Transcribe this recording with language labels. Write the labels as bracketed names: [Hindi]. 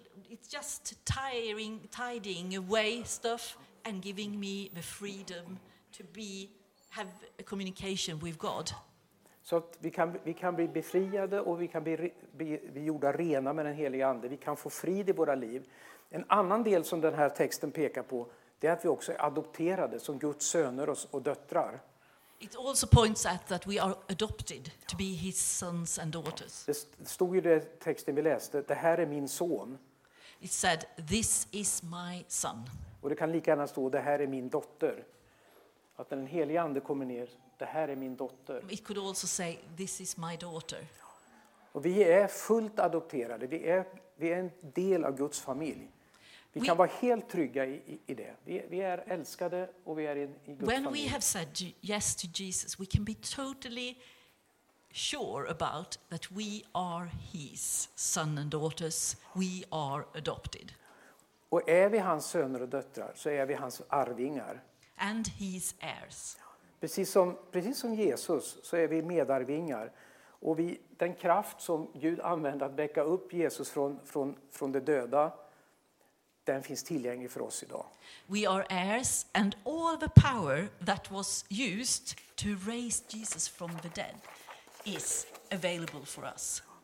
[English] It's just tidying away stuff and giving me the freedom to have a communication with God. [Swedish] Så att vi kan bli befriade och vi kan bli gjorda rena med den helige ande. Vi kan få frid i våra liv. En annan del som den här texten pekar på, det är att vi också är adopterade som Guds söner och döttrar. [English] It also points at that we are adopted to be his sons and daughters. [Swedish] Det stod ju i texten vi läste, det här är min son. [English] It said, this is my son. [Swedish] Och det kan lika gärna stå, det här är min dotter. Att när den helige ande kommer ner, det här är min dotter. [English] It could also say, this is my daughter. [Swedish] Och vi är fullt adopterade, vi är en del av Guds familj. Vi kan vara helt trygga i det. Vi är älskade och vi är i Guds familj. [English] When we have said yes to Jesus, we can be totally sure about that we are his son and daughters. We are adopted. [Swedish] Och är vi hans söner och döttrar, så är vi hans arvingar. [English] And his heirs. [Swedish] Precis som Jesus, så är vi medarvingar. Och den kraft som Gud använde att väcka upp Jesus från de döda, den finns tillgänglig för oss idag. [English] We are heirs, and all the power that was used to raise Jesus from the dead is available for us.